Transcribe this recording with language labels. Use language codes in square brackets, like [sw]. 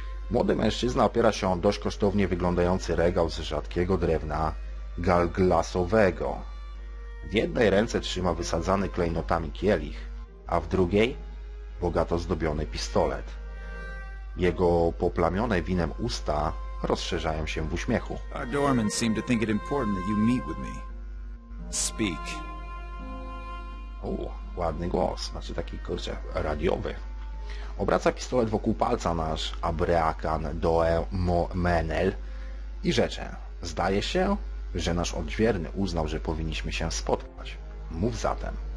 [pl] Młody mężczyzna opiera się o dość kosztownie wyglądający regał z rzadkiego drewna galglasowego. W jednej ręce trzyma wysadzany klejnotami kielich, a w drugiej bogato zdobiony pistolet. Jego poplamione winem usta rozszerzają się w uśmiechu. [en] Doemen seemed to think it important that you meet with me. Speak. [pl] Ładny głos, znaczy taki, kurczę, radiowy. Obraca pistolet wokół palca nasz Abrekan Doemenel i rzecze. Zdaje się, że nasz odźwierny uznał, że powinniśmy się spotkać. Mów zatem.